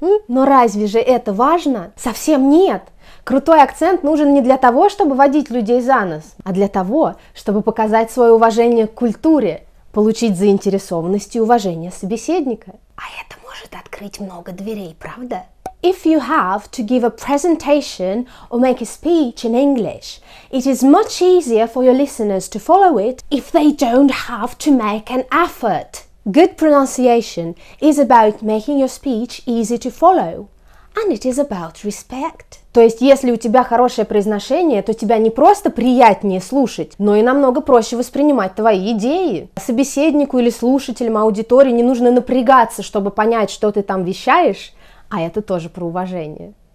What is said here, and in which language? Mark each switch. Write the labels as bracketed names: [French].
[Russian] Но разве же это важно? Совсем нет! Крутой акцент нужен не для того, чтобы водить людей за нос, а для того, чтобы показать свое уважение к культуре, получить заинтересованность и уважение собеседника. А это может открыть много дверей, правда? [English] If you have to give a presentation or make a speech in English, it is much easier for your listeners to follow it if they don't have to make an effort. Good pronunciation is about making your speech easy to follow. And it is about respect. [Russian] То есть, если у тебя хорошее произношение, то тебя не просто приятнее слушать, но и намного проще воспринимать твои идеи. Собеседнику или слушателям аудитории не нужно напрягаться, чтобы понять, что ты там вещаешь, а это тоже про уважение.